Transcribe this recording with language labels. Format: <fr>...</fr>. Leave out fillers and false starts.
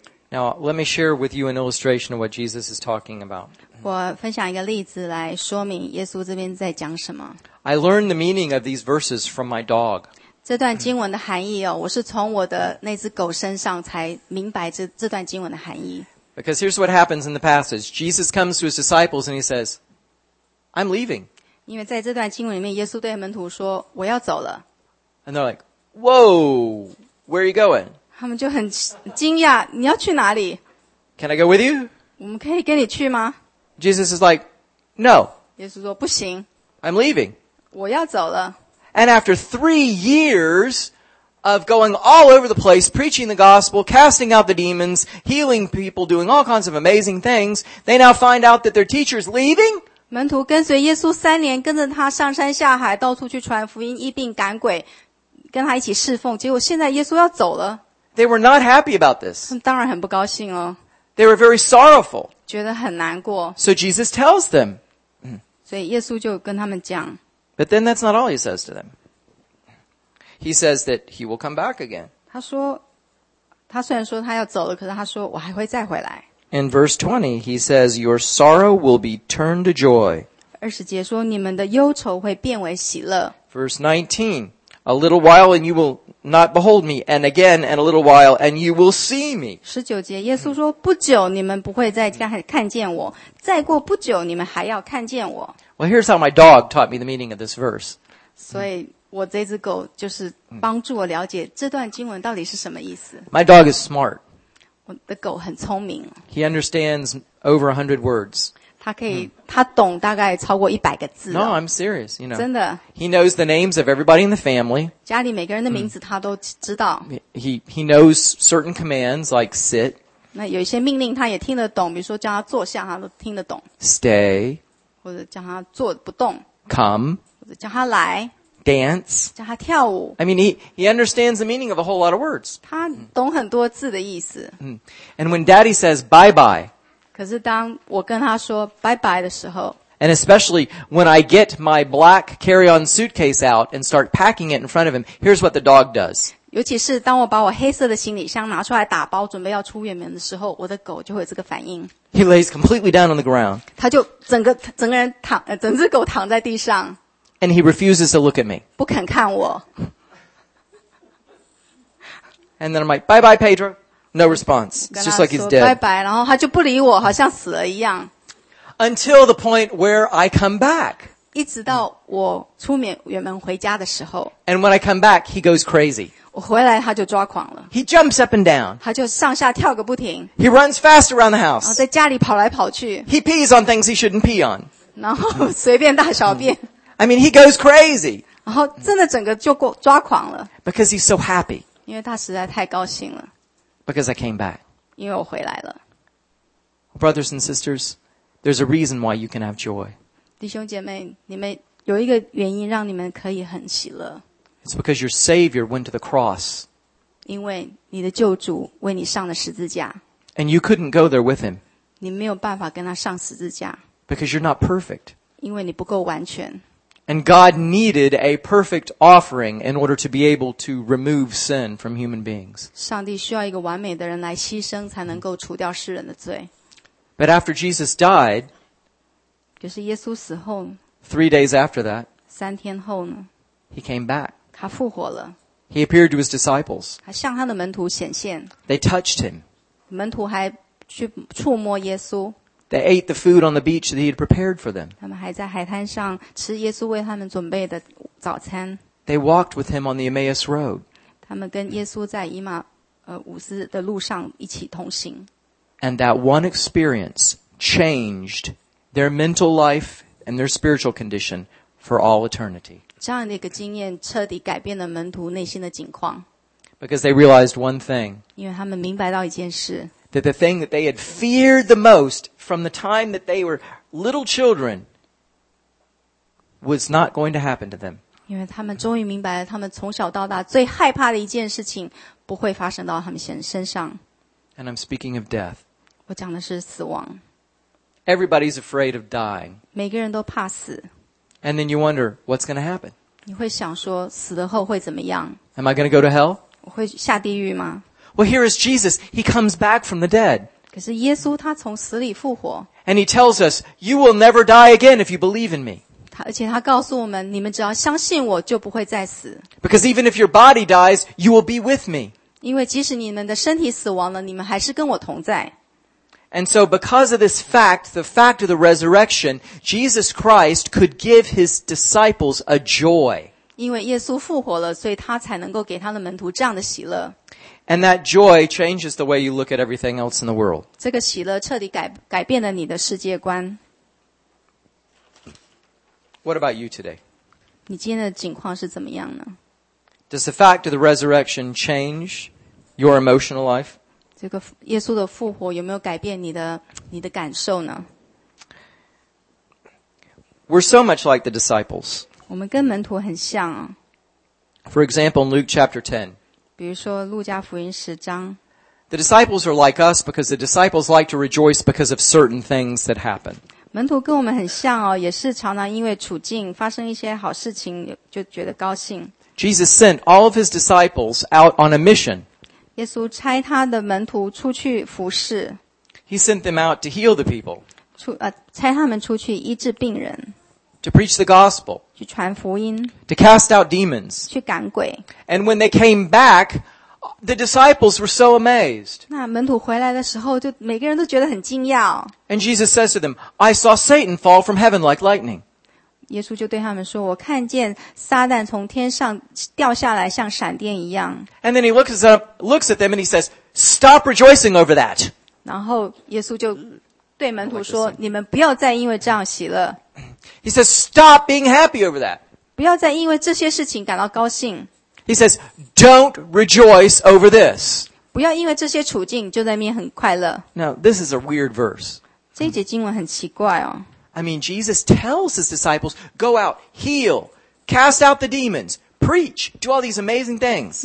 <en>Now, let me share with you an illustration of what Jesus is talking about.</en> <zh>我分享一个例子来说明耶稣这边在讲什么。</zh> <en>I learned the meaning of these verses from my dog.</en> <zh>这段经文的含义哦，我是从我的那只狗身上才明白这段经文的含义。</zh> <en>Because here's what happens in the passage. Jesus comes to his disciples and he says, I'm leaving.</en> <zh>因为在这段经文里面，耶稣对门徒说，我要走了。</zh> <en>And they're like, whoa, where are you going?</en> <zh>他们就很惊讶，你要去哪里？</zh> <en>Can I go with you?</en> <zh>我们可以跟你去吗？</zh> <en>Jesus is like, no.</en> <zh>耶稣说不行。</zh> <en>I'm leaving.</en> <zh>我要走了。</zh> <en>And after 3 years of going all over the place, preaching the gospel, casting out the demons, healing people, doing all kinds of amazing things, they now find out that their teacher is leaving?</en> <zh>门徒跟随耶稣3年，跟着他上山下海，到处去传福音，医病赶鬼，跟他一起侍奉，结果现在耶稣要走了。</zh> <en>They were not happy about this.</en> <zh>他们当然很不高兴哦。</zh> <en>They were very sorrowful.</en> <zh>觉得很难过。</zh> <en>So Jesus tells them.</en> <zh>所以耶稣就跟他们讲。</zh> <en>But then that's not all he says to them. He says that he will come back again.</en> <zh>他说，他虽然说他要走了，可是他说我还会再回来。</zh> <en>In verse 20, he says, "Your sorrow will be turned to joy."</en> <zh>二十节说你们的忧愁会变为喜乐。</zh> <en>Verse 19. A little while and you will not behold me, and again and a little while and you will see me.</en> <zh>十九节，耶稣说，不久你们不会再看见我，再过不久你们还要看见我。</zh> <en>Well, here's how my dog taught me the meaning of this verse.</en> <zh>所以我这只狗就是帮助我了解这段经文到底是什么意思。</zh> <en>My dog is smart.</en> <zh>我的狗很聪明。</zh> <en>He understands over 100 words.</en> <zh>他懂大概超过100个字。</zh> <en>No, I'm serious, you know.</en> <zh>真的。</zh> <en>He knows the names of everybody in the family.</en> <zh>家里每个人的名字他都知道。</zh> <en>He knows certain commands like sit.</en> <zh>那有一些命令他也听得懂，比如说叫他坐下他都听得懂。</zh> <en>Stay.</en> <zh>或者叫他坐不动。</zh> <en>Come.</en> <zh>或者叫他来。</zh> <en>Dance.</en> <zh>叫他跳舞。</zh> <en>I mean, he understands the meaning of a whole lot of words.</en> <zh>他懂很多字的意思。</zh> <en>And when daddy says bye-bye,</en> <zh>可是当我跟他说拜拜的时候</zh> <en>And especially when I get my black carry-on suitcase out and start packing it in front of him, here's what the dog does.</en> <zh>尤其是当我把我黑色的行李箱拿出来打包准备要出远门的时候我的狗就会有这个反应。</zh> <en>He lays completely down on the ground.</en> <zh>他就整个人躺整只狗躺在地上。</zh> <en>And he refuses to look at me.</en> <zh>不肯看我。</zh> <en>And then I'm like, bye bye, Pedro. No response. It's just like he's dead.</en> <zh>跟他说拜拜，然后他就不理我，好像死了一样。</zh> <en>Until the point where I come back.</en> <zh>一直到我出门远门回家的时候。</zh> <en>And when I come back, he goes crazy.</en> <zh>我回来他就抓狂了。</zh> <en>He jumps up and down.</en> <zh>他就上下跳个不停。</zh> <en>He runs fast around the house.</en> <zh>在家里跑来跑去。</zh> <en>He pees on things he shouldn't pee on.</en> <zh>然后随便大小便。</zh> <en>I mean, he goes crazy.</en> <zh>然后真的整个就抓狂了。</zh> <en>Because he's so happy.</en> <zh>因为他实在太高兴了。</zh> <en>Because I came back.</en> <zh>因为我回来了。</zh> <en>Brothers and sisters, there's a reason why you can have joy.</en> <zh>弟兄姐妹，你们有一个原因让你们可以很喜乐。</zh> <en>It's because your Savior went to the cross.</en> <zh>因为你的救主为你上了十字架。</zh> <en>And you couldn't go there with him.</en> <zh>你没有办法跟他上十字架。</zh> <en>Because you're not perfect.</en> <zh>因为你不够完全。</zh> <en>And God needed a perfect offering in order to be able to remove sin from human beings.</en> <zh>上帝需要一个完美的人来牺牲才能够除掉世人的罪。</zh> <en>But after Jesus died,</en> <zh>就是耶稣死后,</zh> <en>3 days after that,</en> <zh>三天后呢,</zh> <en>he came back.</en> <zh>他复活了。</zh> <en>He appeared to his disciples.</en> <zh>他向他的门徒显现。</zh> <en>They touched him.</en> <zh>门徒还去触摸耶稣。</zh> <en>They ate the food on the beach that he had prepared for them.</en> <zh>他们还在海滩上吃耶稣为他们准备的早餐。</zh> <en>They walked with him on the Emmaus Road.</en> <zh>他们跟耶稣在以马忤斯的路上一起同行。</zh> <en>And that one experience changed their mental life and their spiritual condition for all eternity.</en> <zh>这样的一个经验彻底改变了门徒内心的境况。</zh> <en>Because they realized one thing.</en> <zh>因为他们明白到一件事。</zh> <en>That the thing that they had feared the most from the time that they were little children was not going to happen to them.</en> <zh>因为他们终于明白了他们从小到大最害怕的一件事情不会发生到他们身上。</zh> <en>And I'm speaking of death.</en> <zh>我讲的是死亡。</zh> <en>Everybody's afraid of dying.</en> <zh>每个人都怕死。</zh> <en>And then you wonder, what's going to happen?</en> <zh>你会想说死了后会怎么样?</zh> <en>Am I going to go to hell?</en> <zh>我会下地狱吗?</zh> <en>Well, here is Jesus. He comes back from the dead.</en> <zh>可是耶稣他从死里复活。</zh> <en>And he tells us, you will never die again if you believe in me.</en> <zh>而且他告诉我们,你们只要相信我就不会再死。</zh> <en>Because even if your body dies, you will be with me.</en> <zh>因为即使你们的身体死亡了,你们还是跟我同在。</zh> <en>And so because of this fact, the fact of the resurrection, Jesus Christ could give his disciples a joy.</en> <zh>因为耶稣复活了，所以他才能够给他的门徒这样的喜乐。</zh> <en>And that joy changes the way you look at everything else in the world.</en> <zh>这个喜乐彻底改变了你的世界观。</zh> <en>What about you today?</en> <zh>你今天的境况是怎么样呢?</zh> <en>Does the fact of the resurrection change your emotional life?</en> <zh>这个耶稣的复活有没有改变你的感受呢?</zh> <en>We're so much like the disciples.</en> <zh>我们跟门徒很像啊。</zh> <en>For example, in Luke chapter 10.</en> <zh>比如说路加福音十章。</zh> <en>The disciples are like us because the disciples like to rejoice because of certain things that happen.</en> <zh>门徒跟我们很像哦，也是常常因为处境发生一些好事情就觉得高兴。</zh> <en>Jesus sent all of his disciples out on a mission.</en> <zh>耶稣差他的门徒出去服事。</zh> <en>He sent them out to heal the people.</en> <zh>差他们出去医治病人。</zh> <en>To preach the gospel.</en> <zh>去传福音。</zh> <en>To cast out demons.</en> <zh>去赶鬼。</zh> <en>And when they came back, the disciples were so amazed.</en> <zh>那门徒回来的时候就每个人都觉得很惊讶。</zh> <en>And Jesus says to them, I saw Satan fall from heaven like lightning.</en> <zh>耶稣就对他们说，我看见撒旦从天上掉下来像闪电一样。</zh> <en>And then he looks at them and he says, stop rejoicing over that.</en> <zh>然后耶稣就对门徒说，你们不要再因为这样喜乐。</zh> <en>He says, stop being happy over that.</en> <zh>不要再因为这些事情感到高兴。</zh> <en>He says, don't rejoice over this.</en> <zh>不要因为这些处境就在那边很快乐。</zh> <en>Now, this is a weird verse.</en> <zh>这一节经文很奇怪哦。</zh> <en>I mean, Jesus tells his disciples, go out, heal, cast out the demons, preach, do all these amazing things.</en>